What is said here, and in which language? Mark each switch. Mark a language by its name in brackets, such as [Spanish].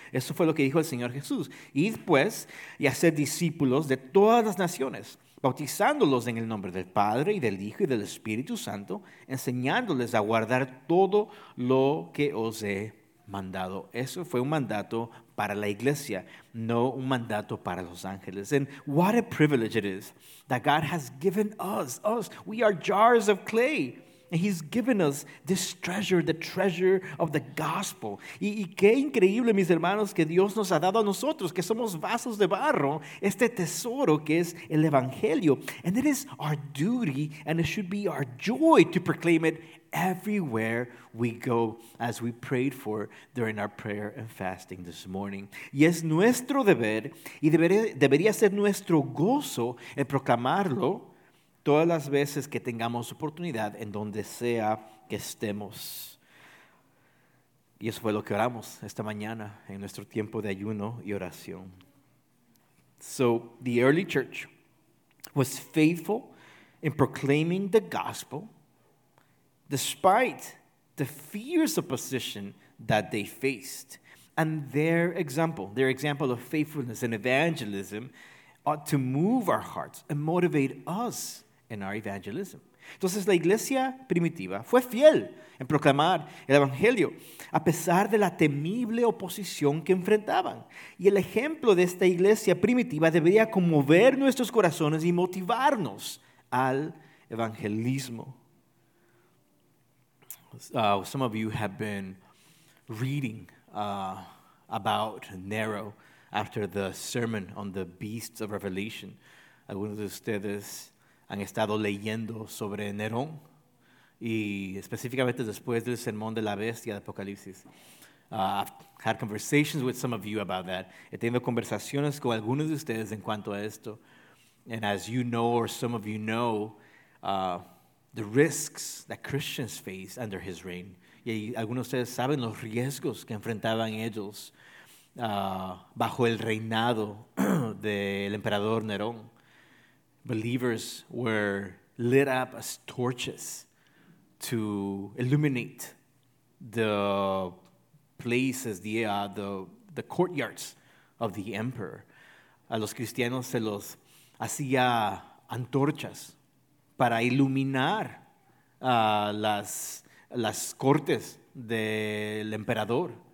[Spanish] Eso fue lo que dijo el Señor Jesús. Id pues y hacer discípulos de todas las naciones, bautizándolos en el nombre del Padre y del Hijo y del Espíritu Santo, enseñándoles a guardar todo lo que os he mandado. Eso fue un mandato para la iglesia, no un mandato para los ángeles. [English] And what a privilege it is that God has given us. We are jars of clay. And he's given us this treasure, the treasure of the gospel. [Spanish] Y qué increíble, mis hermanos, que Dios nos ha dado a nosotros, que somos vasos de barro, este tesoro que es el evangelio. [English] And it is our duty, and it should be our joy to proclaim it everywhere we go, as we prayed for during our prayer and fasting this morning. [Spanish] Y es nuestro deber, y debería ser nuestro gozo el proclamarlo todas las veces que tengamos oportunidad en donde sea que estemos. Y eso fue lo que oramos esta mañana en nuestro tiempo de ayuno y oración. [English] So, the early church was faithful in proclaiming the gospel despite the fierce opposition that they faced. And their example of faithfulness and evangelism ought to move our hearts and motivate us in our evangelism. [Spanish] Entonces, la iglesia primitiva fue fiel en proclamar el evangelio a pesar de la temible oposición que enfrentaban. Y el ejemplo de esta iglesia primitiva debería conmover nuestros corazones y motivarnos al evangelismo. [English] Some of you have been reading about Nero after the sermon on the beasts of Revelation. [Spanish] Algunos de ustedes han estado leyendo sobre Nerón, y específicamente después del sermón de la bestia de Apocalipsis. [English] I've had conversations with some of you about that. [Spanish] He tenido conversaciones con algunos de ustedes en cuanto a esto. [English] And as you know, or some of you know, the risks that Christians face under his reign. [Spanish] Y algunos de ustedes saben los riesgos que enfrentaban ellos bajo el reinado del emperador Nerón. [English] Believers were lit up as torches to illuminate the places, the courtyards of the emperor. [Spanish] A los cristianos se los hacía antorchas para iluminar las cortes del emperador.